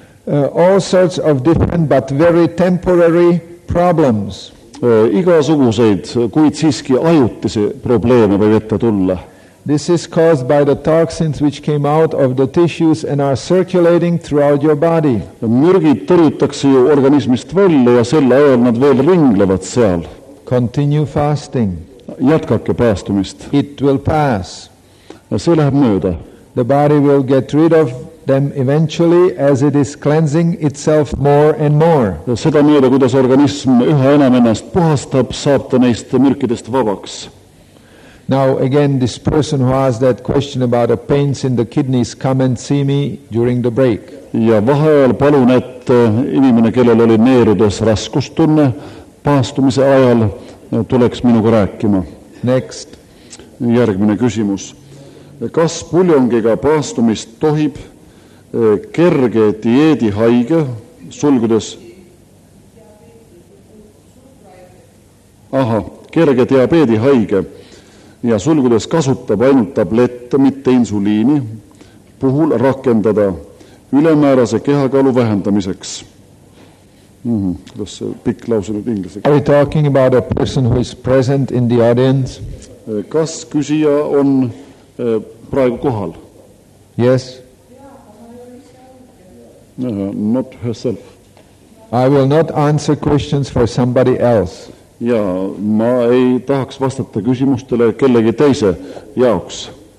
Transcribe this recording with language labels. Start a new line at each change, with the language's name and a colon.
English: All sorts of different but very temporary problems.
Estonian: Igasuguseid, kuid siiski ajutise probleeme võib ette tulla.
English: This is caused by the toxins which came out of the tissues and are circulating throughout your body.
Estonian: Mürgid tõrjutakse ju organismist välja ja selle ajal nad veel ringlevad seal.
English: Continue fasting.
Estonian: Jätkake paastumist.
English: It will pass.
Estonian: See läheb mööda.
English: The body will get rid of them eventually as it is cleansing itself more and more.
Estonian: Seda mööda, kuidas organism üha enam ennast puhastab, saab ta neist mürkidest vabaks.
English: Now again, this person who asked that question about the pains in the kidneys, come and see me during the break.
Estonian: Ja vaheajal palun, et inimene, kellel oli neerudes raskustunne paastumise ajal, tuleks minuga rääkima.
English: Next.
Estonian: Järgmine küsimus. Kas puljongiga paastumist tohib kerge dieedi haige sulgudes? Aha, kerge diabeedi haige. Ja sulgudes kasutab ainult tablette, mitte insuliini, puhul rakendada ülemäärase kehakaalu vähendamiseks. Kuidas see pikk lause nüüd inglise?
English: Are you talking about a person who is present in the audience?
Estonian: Kas küsija on praegu kohal?
English: Yes. Not herself. I will not answer questions for somebody else.
Estonian: Ja ma ei tahaks vastata küsimustele kellegi teise jaoks.